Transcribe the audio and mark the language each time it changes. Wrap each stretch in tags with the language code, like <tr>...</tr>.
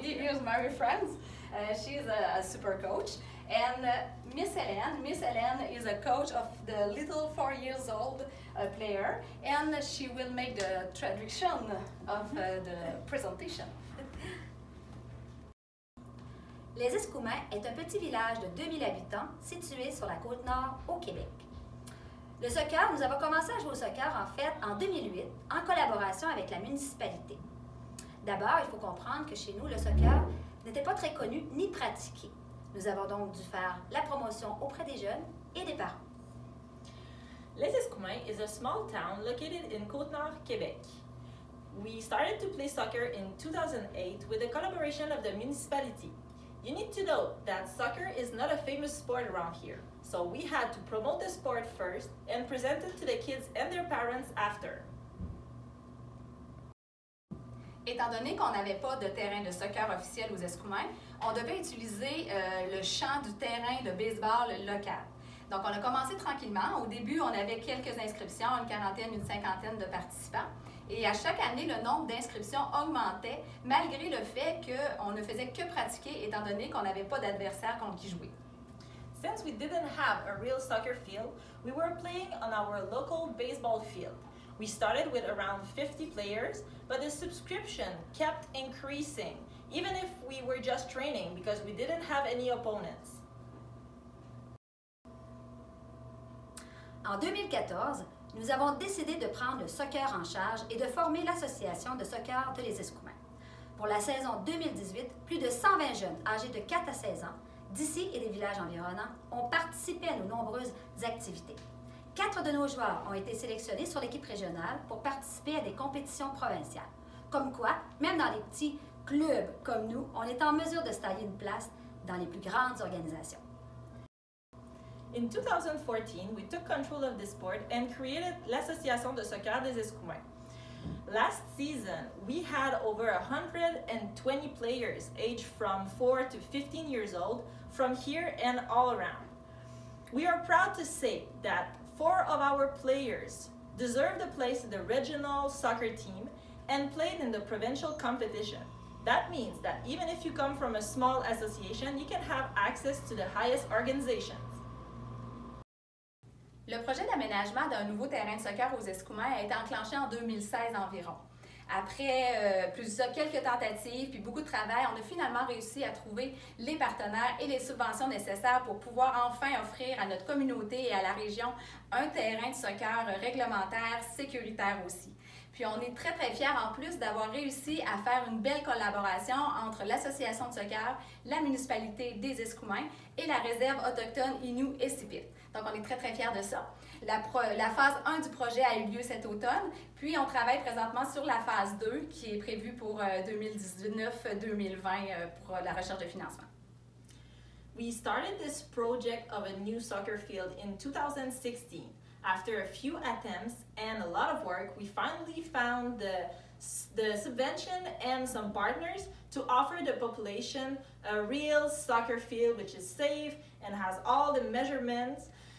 <en>Here is Marie-France. She's a super coach. And Miss Hélène is a coach of the little 4 years old player, and she will make the traduction of the presentation.</en> <fr>Les Escoumins est un petit village de 2000 habitants situé sur la côte nord au Québec. Le soccer, nous avons commencé à jouer au soccer en fait en 2008 en collaboration avec la municipalité. D'abord, il faut comprendre que chez nous, le soccer n'était pas très connu ni pratiqué. Nous avons donc dû faire la promotion auprès des jeunes et des parents.</fr> <en>Les Escoumins is a small town located in Côte-Nord, Québec. We started to play soccer in 2008 with the collaboration of the municipality. You need to know that soccer is not a famous sport around here. So we had to promote the sport first and present it to the kids and their parents after.</en> <fr>Étant donné qu'on n'avait pas de terrain de soccer officiel aux Escoumins, on devait utiliser le champ du terrain de baseball local. Donc, on a commencé tranquillement. Au début, on avait quelques inscriptions, une quarantaine, une cinquantaine de participants. Et à chaque année, le nombre d'inscriptions augmentait, malgré le fait qu'on ne faisait que pratiquer, étant donné qu'on n'avait pas d'adversaire contre qui jouer.</fr> <en>Since we didn't have a real soccer field, we were playing on our local baseball field. We started with around 50 players, but the subscription kept increasing, even if we were just training, because we didn't have any opponents.</en> <fr>En 2014, nous avons décidé de prendre le soccer en charge et de former l'Association de soccer de Les Escoumins. Pour la saison 2018, plus de 120 jeunes âgés de 4 à 16 ans, d'ici et des villages environnants, ont participé à nos nombreuses activités. Quatre de nos joueurs ont été sélectionnés sur l'équipe régionale pour participer à des compétitions provinciales. Comme quoi, même dans les petits clubs comme nous, on est en mesure de se tailler une place dans les plus grandes organisations.</fr> <en>In 2014, we took control of the sport and created l'Association de soccer des Escoumins. Last season, we had over 120 players aged from 4 to 15 years old from here and all around. We are proud to say that 4 of our players deserve a place in the regional soccer team and played in the provincial competition. That means that even if you come from a small association, you can have access to the highest organization.</en> <fr>Le projet d'aménagement d'un nouveau terrain de soccer aux Escoumins a été enclenché en 2016 environ. Après quelques tentatives puis beaucoup de travail, on a finalement réussi à trouver les partenaires et les subventions nécessaires pour pouvoir enfin offrir à notre communauté et à la région un terrain de soccer réglementaire, sécuritaire aussi. Puis on est très, très fiers en plus d'avoir réussi à faire une belle collaboration entre l'Association de soccer, la municipalité des Escoumins et la réserve autochtone Innu-Essipit. Donc, on est très, très fiers de ça. La phase 1 du projet a eu lieu cet automne, puis on travaille présentement sur la phase 2 qui est prévue pour 2019-2020 pour la recherche de financement.</fr> <en>We started this project of a new soccer field in 2016. After a few attempts and a lot of work, we finally found the subvention and some partners to offer the population a real soccer field which is safe and has all the measurements.</en>